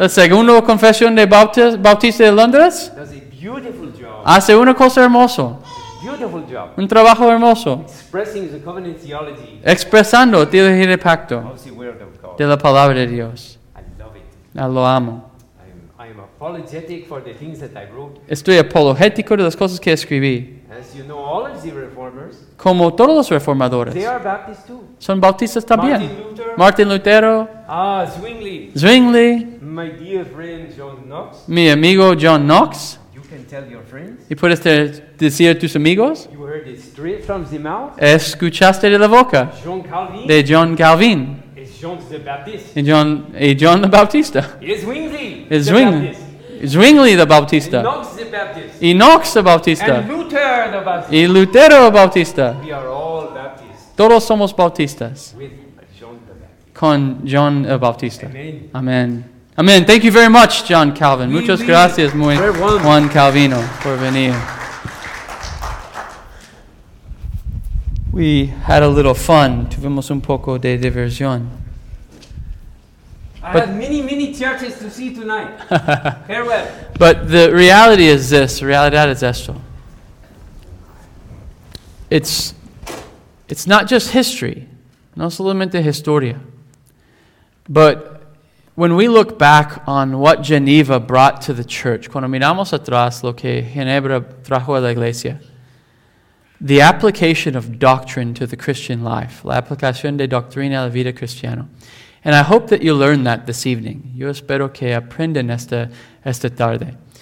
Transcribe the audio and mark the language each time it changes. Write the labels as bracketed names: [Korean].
[Spanish] La segunda confesión de bautista de Londres. [English] Does a beautiful job. [Spanish] Hace una cosa hermosa. [English] Beautiful job. [Spanish] Un trabajo hermoso. [English] Expressing the covenant theology. [Spanish] Expresando teología de pacto. [English] Of the word of God. [Spanish] De la palabra de Dios. [English] I love it. [Spanish] Lo amo. [English] Apologetic for the things that I wrote. [Spanish] Estoy apologético de las cosas que escribí. [English] As you know, all of the reformers, [Spanish] como todos los reformadores, [English] they are Baptist too. [Spanish] Son bautistas también. Martin Lutero. Zwingli. [English] My dear friend John Knox. [Spanish] Mi amigo John Knox. [English] You can tell your friends. [Spanish] Y puedes decir a tus amigos. [English] You heard it straight from the mouth. [Spanish] Escuchaste de la boca. [English] John Calvin. [Spanish] De John Calvin. [English] John the Baptist. John the Baptista. Zwingli the Baptista. Knox the Baptist. Knox the Baptista. And Luther the Baptist. [Spanish] Y Lutero the Baptista. [English] We are all Baptists. [Spanish] Todos somos bautistas. [English] With John the Baptist. [Spanish] Con John the Baptista. [English] Amen. Amen. Thank you very much, John Calvin. [Spanish] Muchas gracias, muy Juan Calvino, por venir. [English] We had a little fun. [Spanish] Tuvimos un poco de diversión. [English] But I have many, many churches to see tonight. Farewell. But the reality is this. [Spanish] Realidad es esto. [English] It's not just history. [Spanish] No solamente historia. [English] But when we look back on what Geneva brought to the church, [Spanish] cuando miramos atrás lo que Ginebra trajo a la iglesia, [English] the application of doctrine to the Christian life. [Spanish] La aplicación de doctrina a la vida cristiana. [English] And I hope that you learn that this evening. [Spanish] Yo espero que aprendan esta tarde.